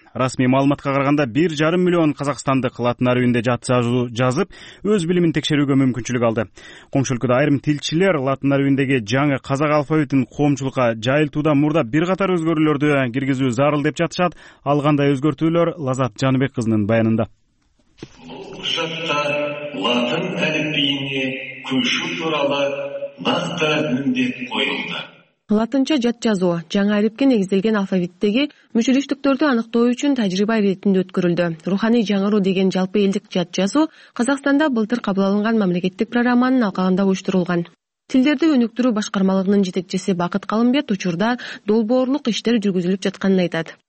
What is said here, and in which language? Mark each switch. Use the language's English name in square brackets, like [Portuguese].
[Kyrgyz] Расмий маалыматка караганда 1.5 миллион казакстандык латын арбинде жат жазуу жазып, өз билимин текшерүүгө мүмкүнчүлүк алды. Коңшу өлкөдө айрым тилчилер латын арбиндеги жаңы казак алфавитин коомчулукка жайылтуудан мурда бир катар өзгөрүүлөрдү киргизүү зарыл деп жатышат. Ал кандай өзгөртүүлөр? Лазат Жаныбек кызынын баянында. [Kazakh] Латын әліпбиіне көшу туралы нақты міндет қойылды. [Kyrgyz] Латынча жат жазуу жаңы арипке негизделген алфавиттеги мүчүлүштүктөрдү аныктоо үчүн тажрыйба иретинде өткөрүлдү. Руханий жаңыруу деген жалпы элдик жат жазуу Казакстанда былтыр кабыл алынган мамлекеттик программанын алкагында уюштурулган. Тилдерди өнүктүрүү башкармалыгынын жетекчиси Бакыт Калымбет учурда долбоорлук иштер жүргүзүлүп жатканын айтат.